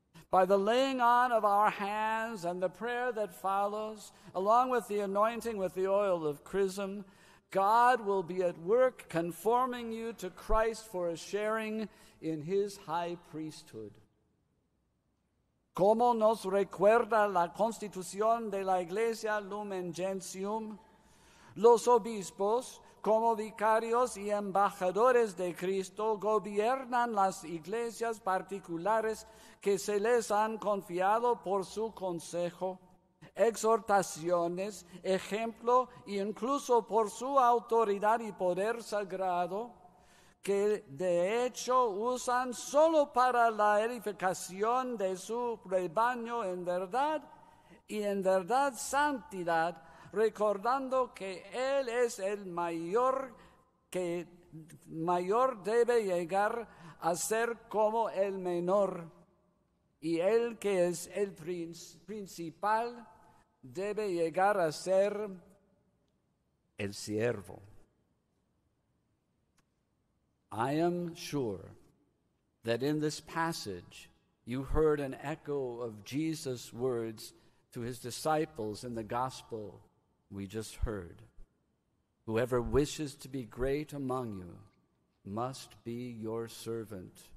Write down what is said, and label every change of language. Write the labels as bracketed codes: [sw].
[en] By the laying on of our hands and the prayer that follows, along with the anointing with the oil of chrism, God will be at work conforming you to Christ for a sharing in his high priesthood. [es] Como nos recuerda la constitución de la Iglesia Lumen Gentium, los obispos, como vicarios y embajadores de Cristo, gobiernan las iglesias particulares que se les han confiado por su consejo, exhortaciones, ejemplo e incluso por su autoridad y poder sagrado, que de hecho usan solo para la edificación de su rebaño en verdad y en verdad santidad, recordando que Él es el mayor, que mayor debe llegar a ser como el menor, y Él que es el principal debe llegar a ser el siervo. [en] I am sure that in this passage you heard an echo of Jesus' words to his disciples in the gospel we just heard. Whoever wishes to be great among you must be your servant.